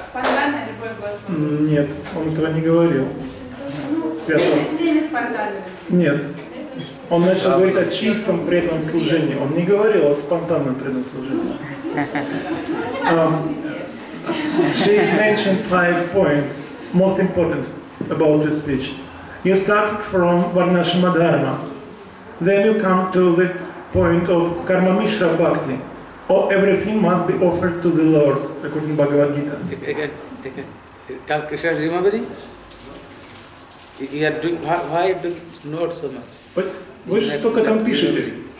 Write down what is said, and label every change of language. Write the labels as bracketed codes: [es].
[ru] Спонтанная любовь к Господу. Нет, он этого не говорил. Сильно спонтанная любовь. Нет. Он начал говорить о чистом преданном служении. Он не говорил о спонтанном преданном служении. [en] She mentioned five points, most important about this speech. You start from Varnashrama Dharma. Then you come to the point of Karma Mishra Bhakti. Or everything must be offered to the Lord, according to Bhagavad Gita. Can Krishna remember it? You are doing, why do you know it so much? But [ru] вы же столько там пишете.